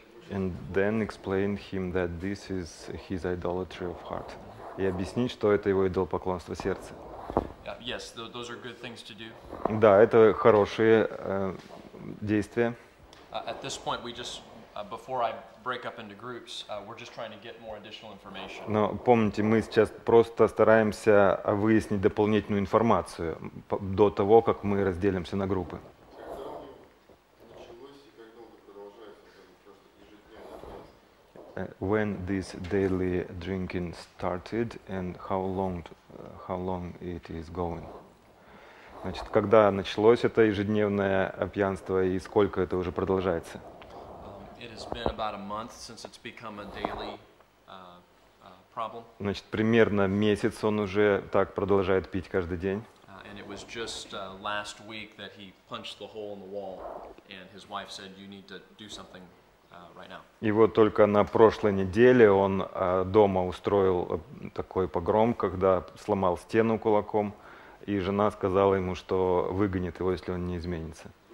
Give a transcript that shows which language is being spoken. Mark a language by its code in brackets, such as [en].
[en] And then explain him that this is his idolatry of heart. [ru] И объяснить, что это его идолопоклонство сердца. [en] Yes, those are good things to do. [ru] Да, это хорошие действия. [en] At this point we just before I break up into groups, we're just trying to get more additional information. [ru] Но помните, мы сейчас просто стараемся выяснить дополнительную информацию до того, как мы разделимся на группы. [en] When this daily drinking started and how long it is going? [ru] Значит, когда началось это ежедневное пьянство и сколько это уже продолжается? [en] It has been about a month since it's become a daily problem. [ru] Значит, примерно месяц он уже так продолжает пить каждый день. [en] And it was just last week that he punched the hole in the wall, and his wife said, "You need to do something right now." [ru] И вот только на прошлой неделе он дома устроил такой погром, когда сломал стену кулаком, и жена сказала ему, что выгонит его, если он не изменится.